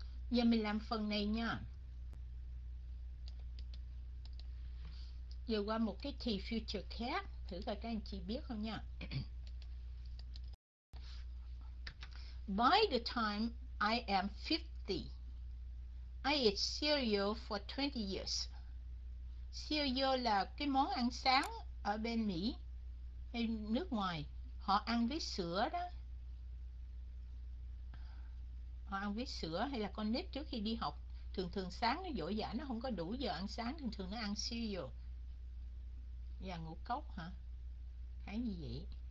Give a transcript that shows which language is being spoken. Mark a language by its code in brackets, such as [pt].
[vi] Giờ mình làm phần này nha. Giờ qua một cái thì future khác, thử coi các anh chị biết không nha. [en] By the time I am 50, I ate cereal for 20 years. [vi] Cereal là cái món ăn sáng ở bên Mỹ, hay nước ngoài. Họ ăn với sữa đó. Họ ăn với sữa hay là con nít trước khi đi học. Thường thường sáng nó dỗi dã, nó không có đủ giờ ăn sáng. Thường thường nó ăn cereal. Và ngũ cốc hả? Cái gì vậy?